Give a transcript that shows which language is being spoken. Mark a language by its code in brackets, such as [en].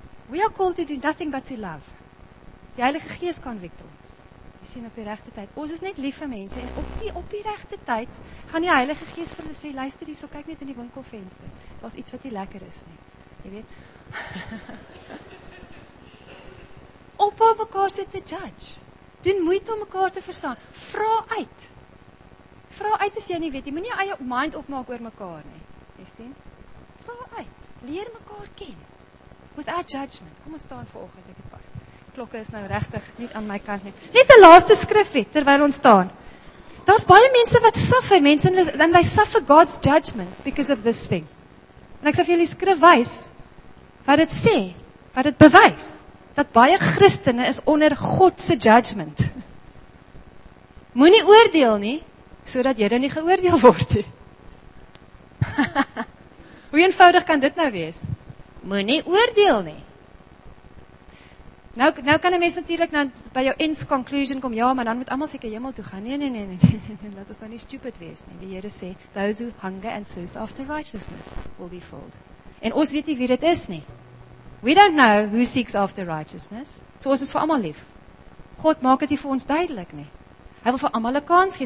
[en] We are called to do nothing but to love. [af] Die Heilige Gees convict ons. Jy sien op die regte tyd. Ons is net lief vir mense en op die regte tyd gaan die Heilige Gees vir hulle sê, luister hierso, kyk net in die winkelvenster. Daar's iets wat nie lekker is nie. Jy weet, Ophou mekaar so te judge. Doen moeite om mekaar te verstaan. Vra uit. Vra uit as jy nie weet. Jy moet nie jou eie mind opmaak oor mekaar nie. Jy sien? Vra uit. Leer mekaar ken. [en] Without judgment. [af] Kom ons staan vanoggend ek het pa. Klokke is nou regtig nie aan my kant nie. Net 'n laaste skrif het terwyl ons staan. Daar's baie mense wat suffer, mense [en] and they suffer God's judgment because of this thing. [af] En ek sê vir julle skrif wys wat dit sê, wat dit bewys dat baie Christene is onder God se judgment. Moenie oordeel nie sodat jy dan nie geoordeel word nie. Hoe eenvoudig kan dit nou wees? Moenie oordeel nie. Nou kan 'n mens natuurlik nou by jou end conclusion kom, ja, maar dan moet almal seker hemel toe gaan. Nee, laat ons nou nie stupid wees nie. Die Here sê, [en] those who hunger and thirst after righteousness will be filled. [af] En ons weet nie wie dit is nie. [en] We don't know who seeks after righteousness. [af] So ons is vir almal lief. God maak dit hier vir ons duidelik nie. Hy wil vir almal 'n kans gee.